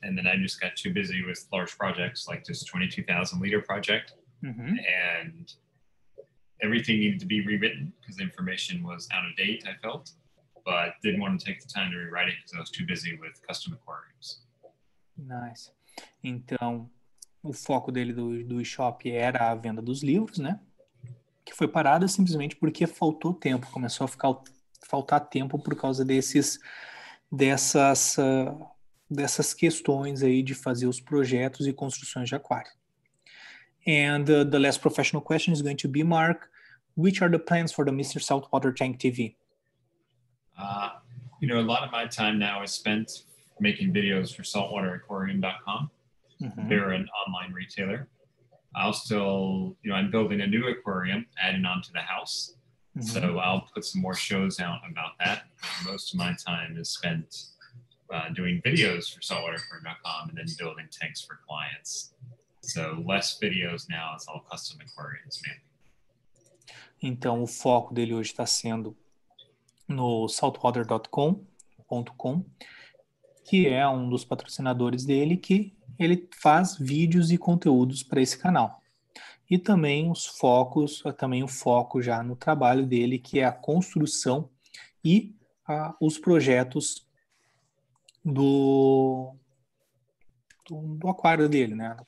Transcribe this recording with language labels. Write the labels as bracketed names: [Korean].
[English] And then I just got too busy with large projects, like this 22,000 liter project. Mm-hmm. And everything needed to be rewritten because the information was out of date, I felt, but didn't want to take the time to rewrite it because I was too busy with custom aquariums. Nice. [Portuguese] Então, o foco dele do e-shop era a venda dos livros, né? Que foi parada simplesmente porque faltou tempo, começou a faltar tempo por causa dessas questões aí de fazer os projetos e construções de aquário. [English] And the last professional question is going to be, Mark, which are the plans for the Mr. Saltwatertank TV? You know, a lot of my time now is spent making videos for saltwateraquarium.com. Mm-hmm. They're an online retailer. I'll still, you know, I'm building a new aquarium, adding on to the house. Mm-hmm. So I'll put some more shows out about that. Most of my time is spent doing videos for saltwaterfirm.com and then building tanks for clients. So less videos now, it's all custom aquariums, man. [Portuguese] Então, o foco dele hoje está sendo no saltwater.com, que é um dos patrocinadores dele, que ele faz vídeos e conteúdos para esse canal. E também o foco já no trabalho dele, que é a construção e os projetos do aquário dele, né?